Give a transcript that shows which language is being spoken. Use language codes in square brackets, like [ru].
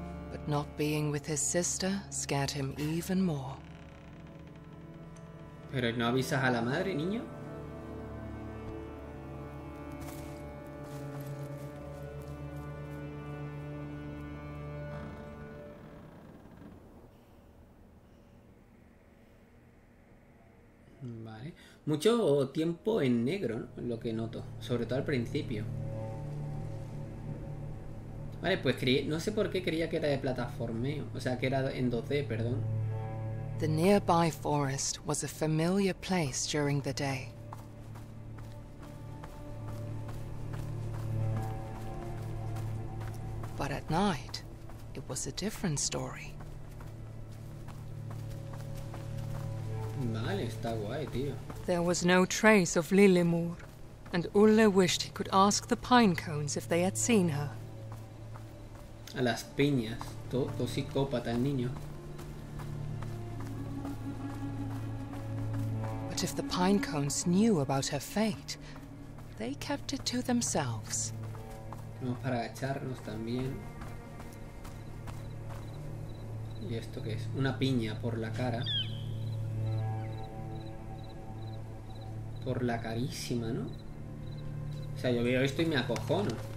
[en] But not being with his sister scared him even more. [es] ¿Pero no avisas a la madre, niño? Mucho tiempo en negro, ¿no? Lo que noto, sobre todo al principio. Vale, pues no sé por qué creía que era de plataformeo, o sea, que era en 2D, perdón. [en] The nearby forest was a familiar place during the day. But at night, it was a different story. [es] Vale, está guay, tío. [en] There was no trace of Lilimur, and Ulle wished he could ask the pine cones if they had seen her. [es] A las piñas, todo psicópata el niño. [en] But if the pine cones knew about her fate, they kept it to themselves. [es] Tenemos para agacharnos también. ¿Y esto qué es? Una piña por la cara. Por la carísima, ¿no? O sea, yo veo esto y me acojono.